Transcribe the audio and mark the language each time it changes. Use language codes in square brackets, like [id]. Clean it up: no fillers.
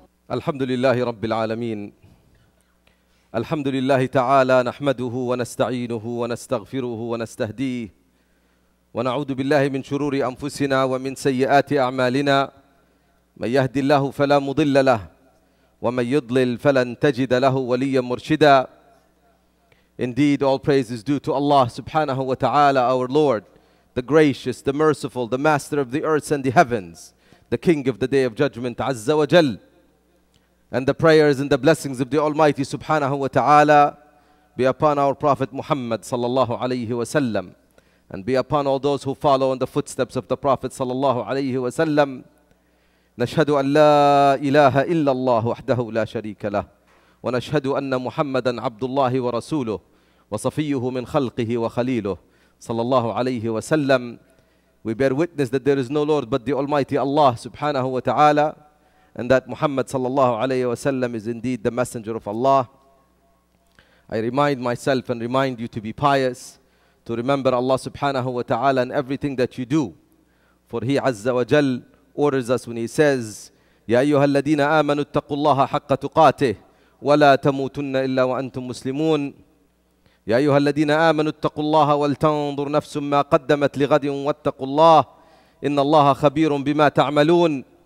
[ar] الحمد لله رب العالمين الحمد لله تعالى نحمده ونستعينه ونستغفره ونستهديه ونعوذ بالله من شرور أنفسنا ومن سيئات أعمالنا من يهدي الله فلا مضل له ومن يضلل فلن تجد له وليا مرشدا. [en] Indeed, all praise is due to Allah subhanahu wa ta'ala, our Lord, the gracious, the merciful, the master of the earth and the heavens, the king of the day of judgment, Azza wa Jal. And the prayers and the blessings of the Almighty subhanahu wa ta'ala be upon our Prophet Muhammad sallallahu alayhi wa sallam, and be upon all those who follow in the footsteps of the Prophet sallallahu alayhi wa sallam. [ar] Nashhadu an la ilaha illallah wahdahu la sharika lah. ونشهد أن محمدًا عبد الله ورسوله وصفيه من خلقه وخليله صلى الله عليه وسلم. [en] We bear witness that there is no Lord but the Almighty Allah subhanahu wa ta'ala, and that Muhammad sallallahu alayhi wa sallam is indeed the messenger of Allah. I remind myself and remind you to be pious, to remember Allah subhanahu wa ta'ala in everything that you do. For He Azza wa Jal orders us when He says, [ar] يَا أَيُّهَا الَّذِينَ آمَنُوا اتَّقُوا اللَّهَ حَقَّ تُقَاتِهِ ولا تموتن الا وانتم مسلمون يا ايها الذين امنوا اتقوا الله ولتنظر نفس ما قدمت لغد واتقوا الله ان الله خبير بما تعملون.